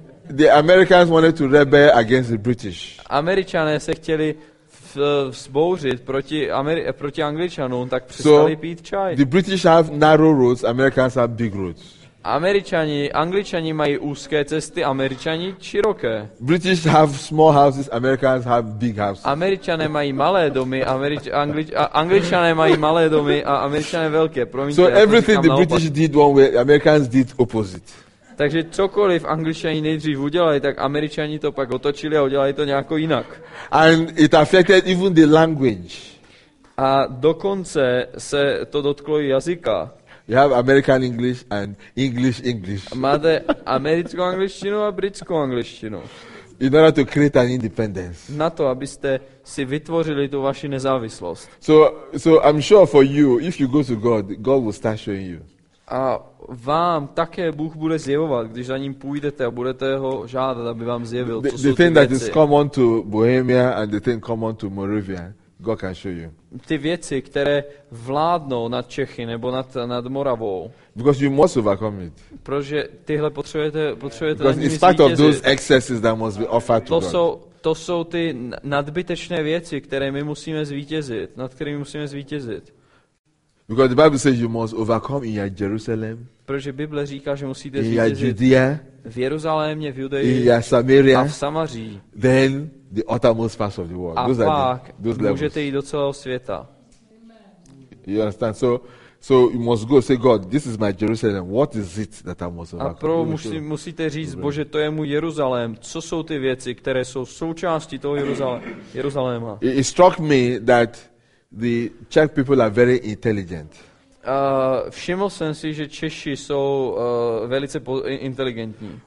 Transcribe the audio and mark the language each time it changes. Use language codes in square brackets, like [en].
[en] The Americans wanted to rebel against the British. [cs] Američané se chtěli vzbouřit proti Angličanům, tak přestali pít čaj. [en] The British have narrow roads, Americans have big roads. [cs] Angličani mají úzké cesty, Američani široké. [en] British have small houses, Americans have big houses. [cs] Američané mají malé domy, Angličané mají malé domy a Američané velké. Promiňte, [en] so everything the British did one way, Americans did opposite. [cs] Takže cokoliv Angličani nejdřív udělali, tak Američani to pak otočili a udělali to nějako jinak. [en] And it affected even the language. [cs] A dokonce se to dotklo i jazyka. [en] You have American English and English English. [cs] Máte americkou angličtinu a britskou angličtinu. [en] In order to create an independence. [cs] Na to, abyste si vytvořili tu vaši nezávislost. [en] So I'm sure for you, if you go to God, God will start showing you. [cs] A vám také Bůh bude zjevovat, když za ním půjdete a budete ho žádat, aby vám zjevil, co jsou ty věci. [en] The thing that is common to Bohemia and the thing common to Moravia, God can show you. [cs] Ty věci, které vládnou nad Čechy nebo nad Moravou. [en] Because you must overcome it. [cs] Protože tyhle potřebujete na nimi zvítězit. [en] Because in spite of those excesses that must be offered to God. [cs] To jsou ty nadbytečné věci, které my musíme zvítězit, nad kterými musíme zvítězit. [en] Because the Bible says you must overcome in your Jerusalem. [cs] Protože Bible říká, že musíte zvítězit. [en] In your Judea. [cs] V Jeruzalémě, v Judeji. [en] In your Samaria. [cs] A v Samařii. [en] Then the uttermost parts of the world. A those [cs] pak [en] those levels. [cs] Můžete jít do celého světa. [en] You understand? So you must go say God, this is my Jerusalem. What is it that I must overcome? [cs] A pro musíte říct, Bože, to je můj Jeruzalém. Co jsou ty věci, které jsou součástí toho Jeruzaléma? [en] It struck me that the Czech people are very intelligent. [cs] Všiml jsem si, že Češi jsou velice inteligentní.